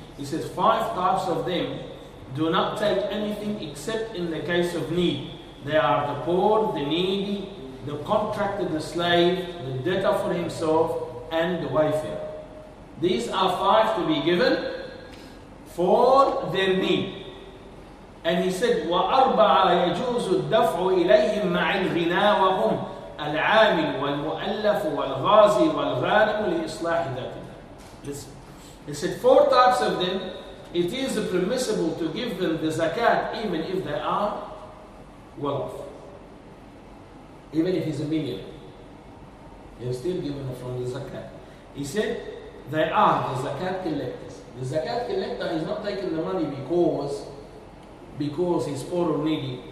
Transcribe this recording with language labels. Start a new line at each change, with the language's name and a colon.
English: He says, five types of them do not take anything except in the case of need. They are the poor, the needy, the contracted, the slave, the debtor for himself, and the wayfarer. These are five to be given for their need. And he said,
Arabic: وَأَرْبَعَ يَجُوزُ الدَّفْعُ إِلَيْهِمْ مَعِ الْغِنَى وَهُمْ الْعَامِلُ وَالْمُؤَلَّفُ وَالْغَازِي وَالْغَارِمُ لِإِصْلَاحِ ذَاتِهِ.
English: Listen. He said, four types of them, it is permissible to give them the zakat even if they are well off. Even if he's a millionaire, he's still given from the zakat. He said, they are the zakat collectors. The zakat collector is not taking the money because he's poor or needy.